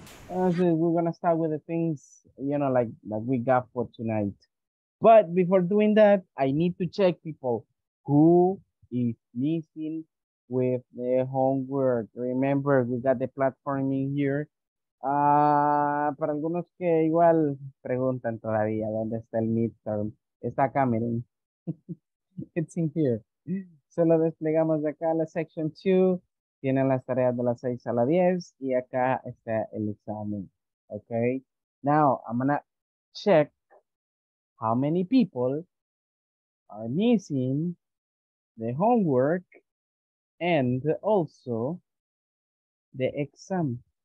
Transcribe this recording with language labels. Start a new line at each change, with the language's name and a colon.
English: So we're gonna start with the things, you know, like we got for tonight. But before doing that, I need to check, people, who is missing with the homework. Remember, we got the platform in here.
Spanish: Para algunos que igual preguntan todavía dónde está el midterm, está acá, miren.
English: It's in here.
Spanish: Solo desplegamos de acá la section 2. Tienen las tareas de las 6 a las 10 y acá está el examen.
English: Okay. Now, I'm gonna check how many people are missing the homework and also the exam.